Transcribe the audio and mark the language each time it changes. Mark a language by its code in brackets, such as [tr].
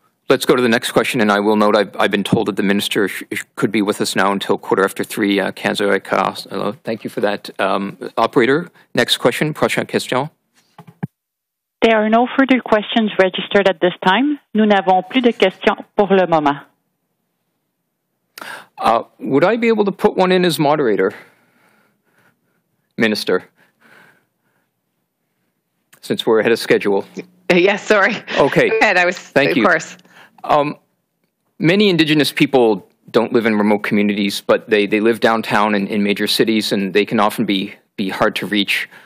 [en] Let's go to the next question, and I will note I've been told that the minister could be with us now until 3:15. Hello. Thank you for that. Operator, next question. [fr] Prochaine question. [en] There are no further questions registered at this time. [fr] Nous n'avons plus de questions pour le moment. [en] Would I be able to put one in as moderator, Minister, since we're ahead of schedule? Yes, sorry. Okay. Go ahead. I was, thank of you. Course. Many Indigenous people don't live in remote communities, but they live downtown in major cities, and they can often be hard to reach.